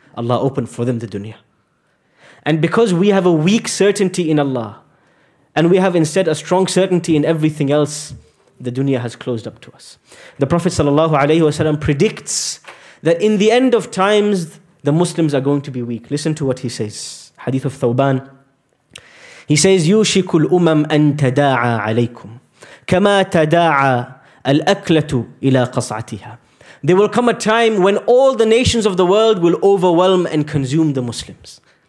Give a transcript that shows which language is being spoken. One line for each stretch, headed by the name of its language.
English: Allah opened for them the dunya. And because we have a weak certainty in Allah, and we have instead a strong certainty in everything else, the dunya has closed up to us. The Prophet sallallahu alaihi wasallam predicts that in the end of times, the Muslims are going to be weak. Listen to what he says. Hadith of Thawban. He says,
Arabic: يُوشِكُ الْأُمَمْ أَن تَدَاعَى عَلَيْكُمْ كَمَا تَدَاعَى الْأَكْلَةُ إِلَىٰ قَصْعَتِهَا.
English: There will come a time when all the nations of the world will overwhelm and consume the Muslims.